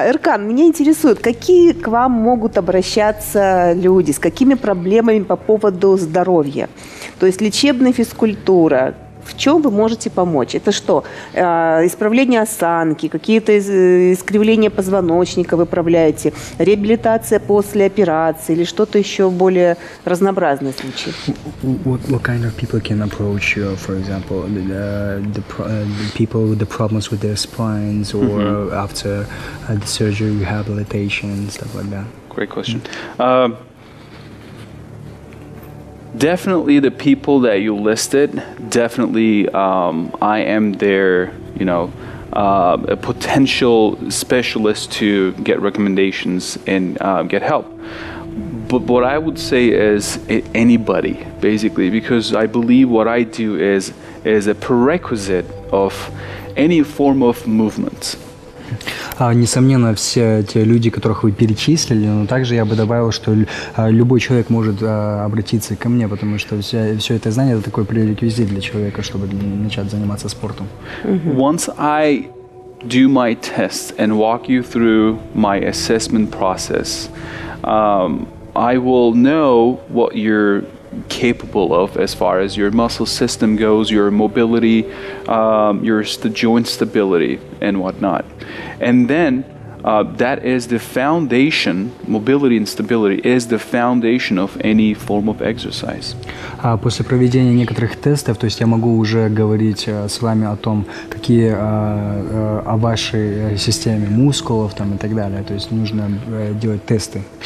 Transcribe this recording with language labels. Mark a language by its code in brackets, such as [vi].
[ru] Эркан, меня интересует, какие к вам могут обращаться люди, с какими проблемами по поводу здоровья? То есть лечебная физкультура, в чем вы можете помочь? Это что, исправление осанки, какие-то искривления позвоночника выправляете, реабилитация после операции или что-то еще более разнообразное случае? [en] What kind of people can approach you, for example, the people with the problems with their spines or after the surgery, rehabilitation and stuff like that? Great question. Definitely the people that you listed, definitely I am their, you know, a potential specialist to get recommendations and get help. But what I would say is anybody, basically, because I believe what I do is a prerequisite of any form of movement. [ru] Несомненно, все те люди, которых вы перечислили, но также я бы добавил, что любой человек может обратиться ко мне, потому что все это знание – это такой пререквизит для человека, чтобы начать заниматься спортом. [en] Once I do my tests and walk you through my assessment process, I will know what you're capable of as far as your muscle system goes, your mobility, the joint stability and whatnot. And then that is the foundation, mobility and stability is the foundation of any form of exercise. [ru] После проведения некоторых тестов, то есть я могу уже говорить с вами о том, какие о вашей системе мускулов там и так далее. То есть нужно делать тесты.